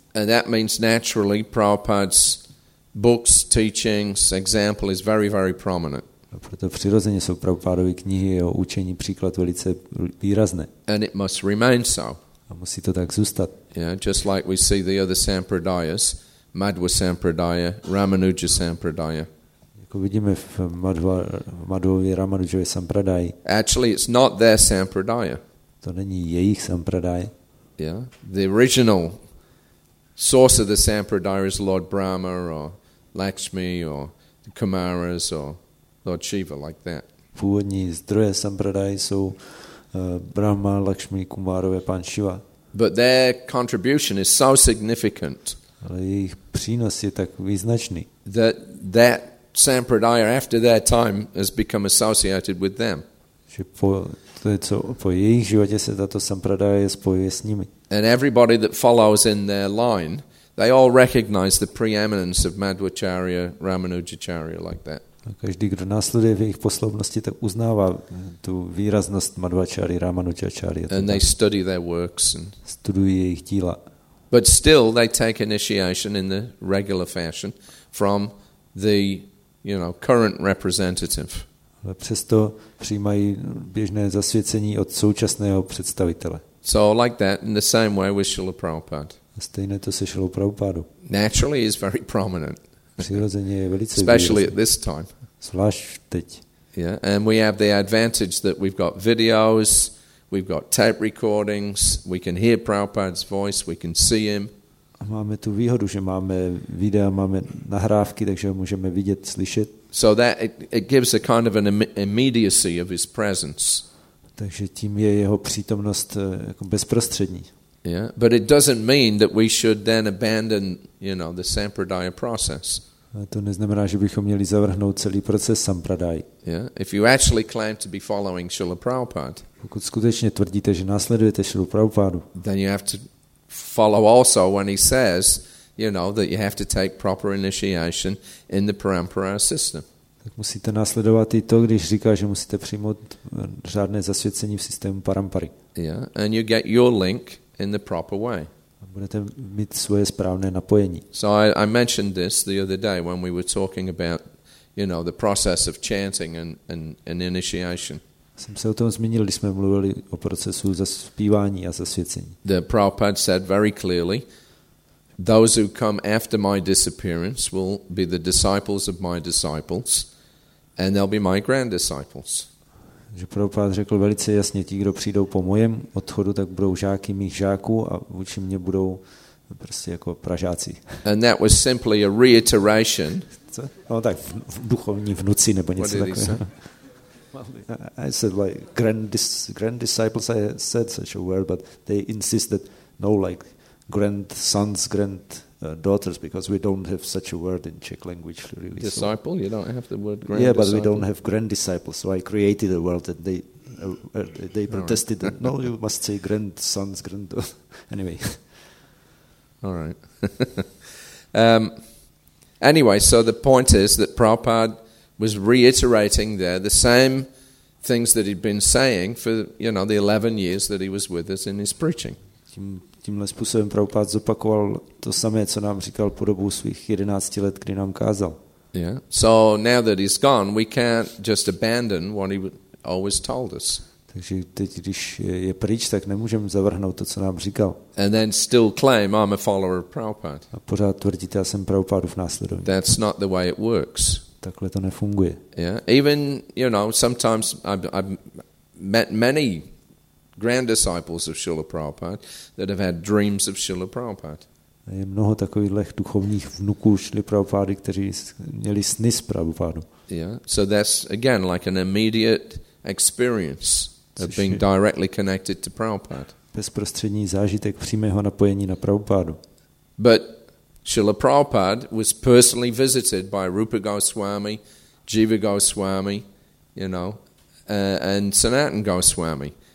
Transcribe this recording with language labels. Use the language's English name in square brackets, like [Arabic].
[English] And that means naturally Prabhupada's books, teachings, example is very, very prominent. [Czech] A proto přirozeně jsou Prabhupádovy knihy, jeho učení, příklad velice výrazné. [English] And it must remain so. [Czech] A musí to tak zůstat. [English] Yeah, just like we see the other sampradayas, Madhva sampradaya, Ramanuja sampradaya. [Czech] Jako vidíme v Madhvově Ramanujově sampradaji. [English] Actually, it's not their sampradaya. [Czech] To není jejich sampradaya. [English] Yeah, the original source of the sampradaya is Lord Brahma or Lakshmi or the Kumaras or Lord Shiva, like that. [Czech] Původní zdroje sampradaya jsou Brahma, Lakshmi, Kumarové, Pán Shiva. [English] But their contribution is so significant. [Czech] Ale jejich přínos je tak význačný. [English] That sampradaya after their time has become associated with them. [Czech] Že po jejich životě se tato sampradaya spojuje s nimi. [English] And everybody that follows in their line, they all recognize the preeminence of Madhvacharya, Ramanujacharya, like that. [Czech] A každý, kdo následuje v jejich posloupnosti, tak uznává tu výraznost Madhvacharya, Ramanujacharya. [English] And they study their works and [Czech] studují jejich díla. [English] But still they take initiation in the regular fashion from the, you know, current representative. [Czech] Ale přesto přijímají běžné zasvěcení od současného představitele. [English] So like that, in the same way with Srila Prabhupada. [Czech] Stejně to se Srila Prabhupada. [English] Naturally is very prominent. [Czech] Přirozeně je velice [English] especially at this time. [Czech] Zvlášť teď. [English] Yeah, and we have the advantage that we've got videos, we've got tape recordings, we can hear Prabhupada's voice, we can see him. [Czech] Máme tu výhodu, že máme videa, máme nahrávky, takže ho můžeme vidět, slyšet. [English] So that it gives a kind of an immediacy of his presence. [Czech] Takže tím je jeho přítomnost jako bezprostřední. [English] Yeah, but it doesn't mean that we should then abandon, you know, the sampradaya process. [Czech] To neznamená, že bychom měli zavrhnout celý proces sampradaj. [English] Yeah, if you actually claim to be following Srila Prabhupada. [Czech] Pokud skutečně tvrdíte, že následujete Srila Prabhupádu. [English] Then you have to follow also when he says, you know, that you have to take proper initiation in the parampara system. [Czech] Tak musíte následovat i to, když říká, že musíte přijmout řádné zasvěcení v systému parampary. [English] Yeah, and you get your link in the proper way. [Czech] Budete mít svoje správné napojení. [English] So I mentioned this the other day when we were talking about, you know, the process of chanting and initiation. [Czech] Jsem se o tom zmínil, když jsme mluvili o procesu zpívání a zasvěcení. [English] The Prabhupada said very clearly, those who come after my disappearance will be the disciples of my disciples and they'll be my grand disciples. [Czech] Že Prabhupada řekl velice jasně, ti, kdo přijdou po mojem odchodu, tak budou žáky mých žáků a vůči mě budou prostě jako pražáci. [English] And that was simply a reiteration. [Czech] No tak v duchovní vnuci nebo něco takového. [English] I said like grand disciples, I said such a word, but they insisted no, like grand sons, grand daughters, because we don't have such a word in Czech language really. Disciple, so, you don't have the word grand. Yeah, but disciple. We don't have grand disciples, so I created a word and they protested. Right. That, no, you must say grand sons, grand anyway. All right. anyway, so the point is that Prabhupada was reiterating there the same things that he'd been saying for, you know, the 11 years that he was with us in his preaching. [Czech] Tímhle způsobem Prabhupád zopakoval to samé, co nám říkal po dobu svých 11 let, kdy nám kázal. [English] Yeah. So now that he's gone, we can't just abandon what he always told us. [Czech] Takže teď, když je pryč, tak nemůžeme zavrhnout to, co nám říkal. [English] And then still claim I'm a follower of Prabhupada. [Czech] A pořád tvrdíte, já jsem Prabhupádův následovník. [English] That's not the way it works. [Czech] Takhle to nefunguje. [English] Yeah. Even, you know, sometimes I've met many grand disciples of Srila Prabhupada that have had dreams of Srila Prabhupada. [Czech] Je mnoho takových duchovních vnuků Srila Prabhupády, kteří měli sny s Prabhupádou. [English] Yeah. So that's again like an immediate experience of being directly connected to Prabhupada. [Czech] Bezprostřední zážitek přímého napojení na Prabhupádu. [English] But Srila Prabhupada was personally visited by Rupa Goswami, Jiva Goswami, you know, and Sanatan Goswami.